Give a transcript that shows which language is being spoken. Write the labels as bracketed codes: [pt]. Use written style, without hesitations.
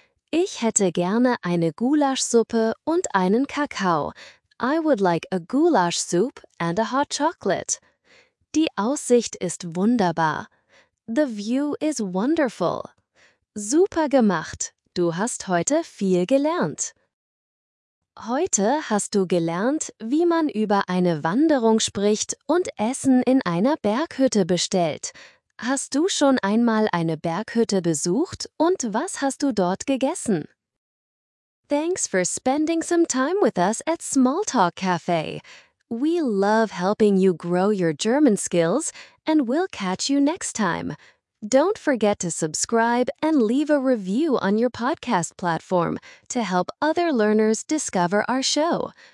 [de] Ich hätte gerne eine Gulaschsuppe und einen Kakao. [en] I would like a goulash soup and a hot chocolate. [de] Die Aussicht ist wunderbar. [en] The view is wonderful. [de] Super gemacht. Du hast heute viel gelernt. Heute hast du gelernt, wie man über eine Wanderung spricht und Essen in einer Berghütte bestellt. Hast du schon einmal eine Berghütte besucht und was hast du dort gegessen? [en] Thanks for spending some time with us at Smalltalk Cafe. We love helping you grow your German skills and we'll catch you next time. Don't forget to subscribe and leave a review on your podcast platform to help other learners discover our show.